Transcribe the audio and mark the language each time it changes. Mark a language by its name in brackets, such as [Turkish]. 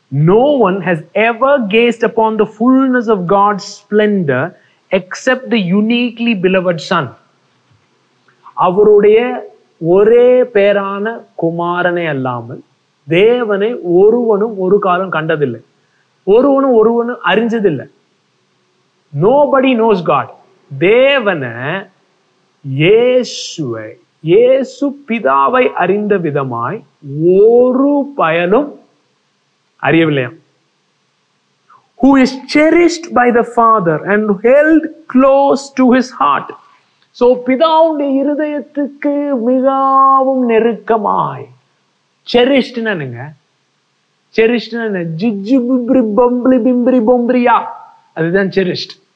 [English] No one has ever gazed upon the fullness of God's splendor except the uniquely beloved Son. [Tamil] அவருடைய ஒரே பேரான குமாரனே அல்லாமல் தேவனை ஒருவனும் ஒரு காலம் கண்டதில்லை, ஒருவனும் ஒருவனும் அறிஞ்சதில்லை. [English] Nobody knows God. [Tamil] தேவனை இயேசுவை, இயேசு பிதாவை அறிந்த விதமாய் ஒரு பயனும் அறியவில்லையாம். [English] Who is cherished by the Father and held close to his heart. [Tamil] So, பிதாவுடைய இருதயத்துக்கு மிகவும் நெருக்கமாய் cherished.